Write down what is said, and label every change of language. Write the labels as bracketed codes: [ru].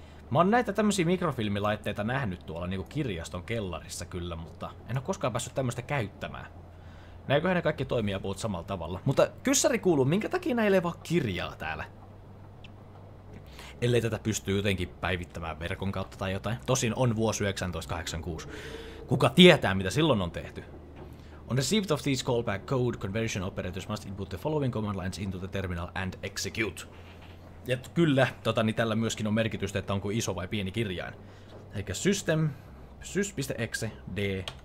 [fi] Mä oon näitä tämmösiä mikrofilmilaitteita nähnyt tuolla niinku kirjaston kellarissa kyllä, mutta en oo koskaan päässyt tämmöstä käyttämään. Näinköhän ne kaikki toimii ja puhut samalla tavalla. Mutta kyssäri kuuluu, minkä takia näillä ei vaan kirjaa täällä? Ellei tätä pysty jotenkin päivittämään verkon kautta tai jotain. Tosin on vuosi 1986. Kuka tietää, mitä silloin on tehty? [en] On received of these callback code, conversion operators must input the following command lines into the terminal and execute. [fi] Ja kyllä, tällä myöskin on merkitystä, että onko iso vai pieni kirjain. Eli system, sys.exe, de.